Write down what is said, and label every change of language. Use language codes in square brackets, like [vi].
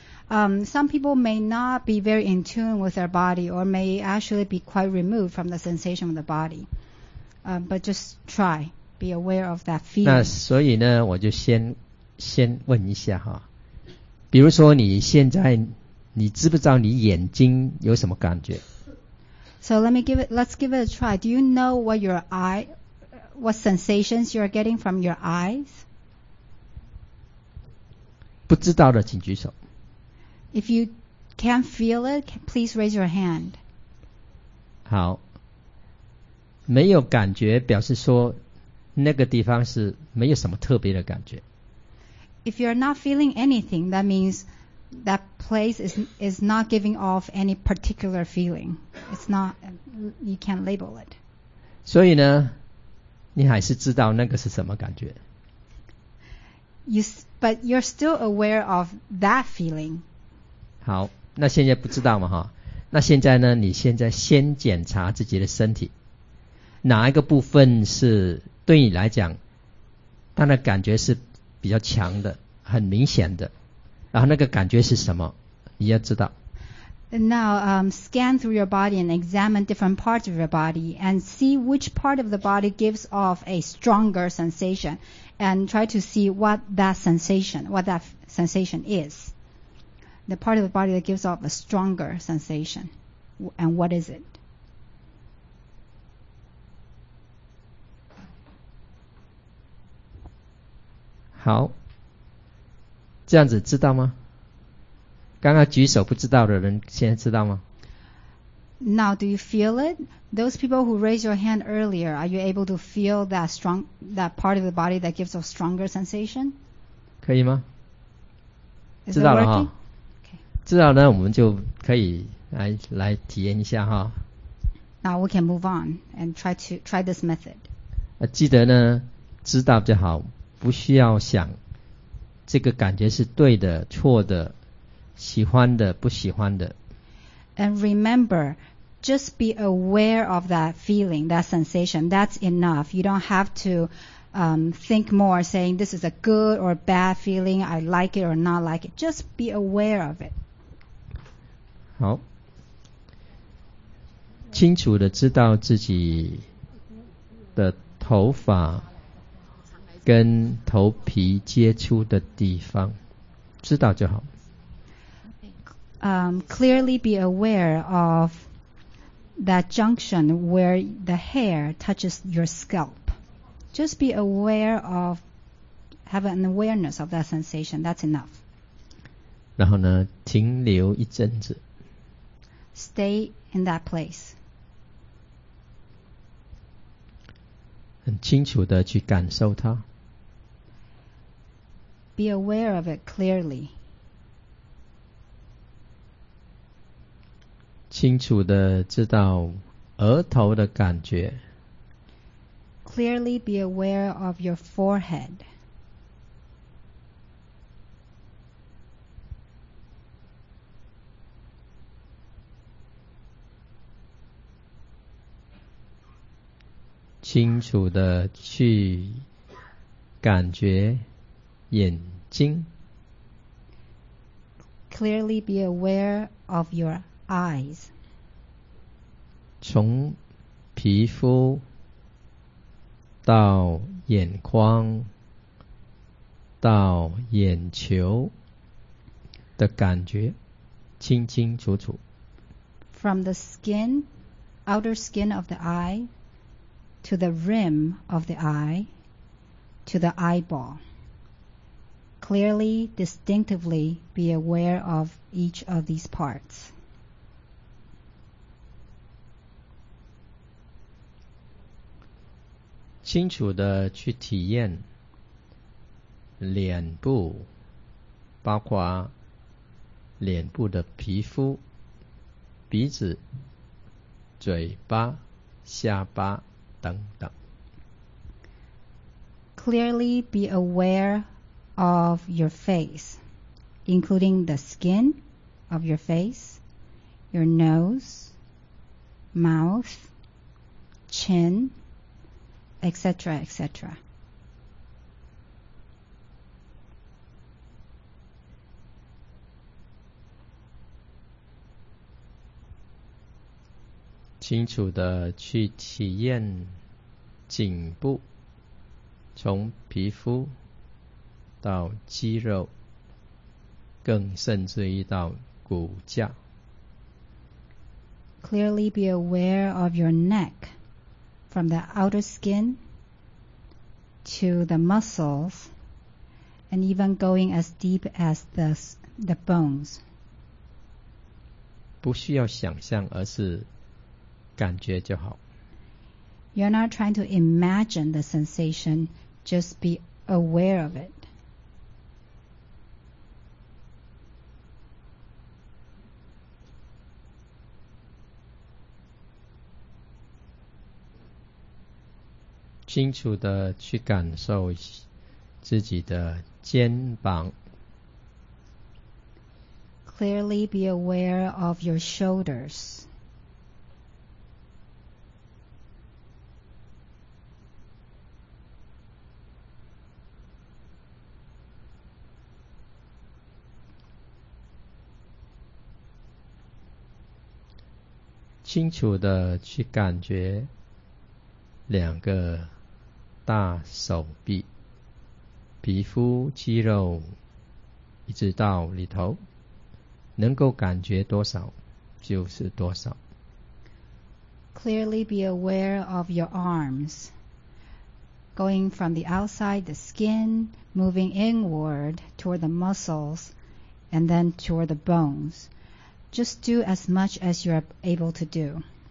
[en] Some people may not be very in tune with their body or may actually be quite removed from the sensation of the body. But just try, be aware of that feeling. [zh] 那所以呢，我就先问一下哈，比如说你现在你知不知道你眼睛有什么感觉？ [en] So let's give it a try. Do you know what your eye, what sensations you are getting from your eyes? [zh] 不知道的请举手。 [en] If you can't feel it, please raise your hand. [zh] 好。没有感觉表示说那个地方是没有什么特别的感觉。 [en] If you are not feeling anything, that means that place is not giving off any particular feeling. It's not, you can't label it. [zh] 所以呢，你还是知道那个是什么感觉。 [en] But you're still aware of that feeling. [zh] 好，那现在不知道嘛哈？那现在呢？你现在先检查自己的身体，哪一个部分是对你来讲，它的感觉是比较强的，很明显的，然后那个感觉是什么，你要知道。 [en] Now, scan through your body and examine different parts of your body and see which part of the body gives off a stronger sensation and try to see what that sensation is. The part of the body that gives off a stronger sensation and what is it? [zh] 好，这样子知道吗？刚刚举手不知道的人现在知道吗？ [en] Now do you feel it? Those people who raised your hand earlier, are you able to feel that part of the body that gives a stronger sensation? [zh] 可以吗？ [en] Is it working? [zh] 知道了，我们就可以来体验一下哈。 [en] Now we can move on and try this method. [zh] 记得呢，知道就好。不需要想这个感觉是对的错的喜欢的不喜欢的。 [en] And remember, just be aware of that feeling, that sensation, that's enough. You don't have to think more saying this is a good or bad feeling, I like it or not like it. Just be aware of it. [zh] 好，清楚的知道自己的头发跟头皮接触的地方，知道就好。 [en] Clearly be aware of that junction where the hair touches your scalp. Just be aware of, have an awareness of that sensation. That's enough. [zh] 然后呢，停留一阵子。 [en] Stay in that place. [zh] 很清楚的去感受它。 [en] Be aware of it clearly. [zh] 清楚的知道额头的感觉。 [en] Clearly be aware of your forehead. [zh] 清楚的去感觉眼睛。 [en] Clearly be aware of your eyes. [zh] 从皮肤到眼眶到眼球的感觉清清楚楚。 [en] From the skin, outer skin of the eye, to the rim of the eye, to the eyeball. Clearly, distinctively, be aware of each of these parts. [zh] 清楚的去体验脸部，包括脸部的皮肤、鼻子、嘴巴、下巴等等。 [en] Clearly, be aware. Of your face, including the skin of your face, your nose, mouth, chin, etc., etc. [zh] 清楚的去体验颈部，从皮肤到肌肉，更甚至于到骨架。 [en] Clearly be aware of your neck from the outer skin to the muscles and even going as deep as the bones. [zh] 不需要想象，而是感觉就好。 [en] You're not trying to imagine the sensation, just be aware of it. [zh] 清楚地去感受自己的肩膀。 [en] Clearly be aware of your shoulders. [zh] 清楚地去感觉两个大手臂，皮肤、肌肉，一直到里头，能够感觉多少就是多少。 [en] Clearly be aware of your arms, going from the outside, the skin, moving inward toward the muscles, and then toward the bones. Just do as much as you're able to do.